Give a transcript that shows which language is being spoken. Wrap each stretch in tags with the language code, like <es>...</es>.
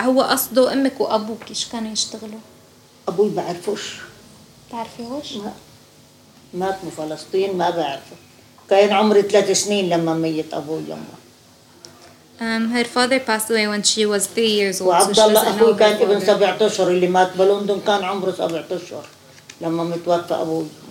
<ar>هو قصده أمك وأبوك إيش كانوا يشتغلوا؟ أبوي بعرفوش. تعرفيهوش؟ ما مات من فلسطين ما بعرفه. كان عمري 3 سنين لما ميت أبوي يما.</ar> <en>Her father passed away when she was 3 years old.</en> <ar>وعبد الله أخوي كان ابن 17 اللي مات بلندن كان عمره 17 لما متوفى أبوي.</ar>